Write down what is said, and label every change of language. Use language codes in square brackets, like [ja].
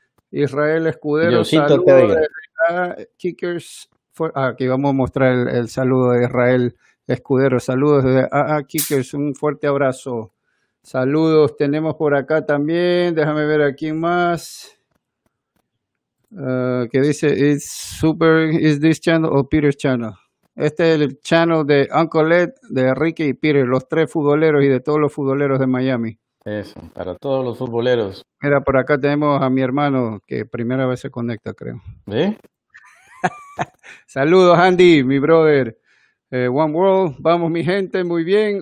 [es] Israel Escudero, saludos. Kickers, aquí vamos a mostrar el saludo de Israel Escudero. Saludos desde AA Kickers, un fuerte abrazo. Saludos, tenemos por acá también, déjame ver a quién más. Que dice, [en] it's super, is this channel or Peter's channel? [es] Este es el channel de Uncle Ed, de Ricky y Peter, los tres futboleros y de todos los futboleros de Miami. Eso, para todos los futboleros. Mira, por acá tenemos a mi hermano, que primera vez se conecta, creo. Saludos, Andy, mi brother. One World, vamos mi gente, muy bien.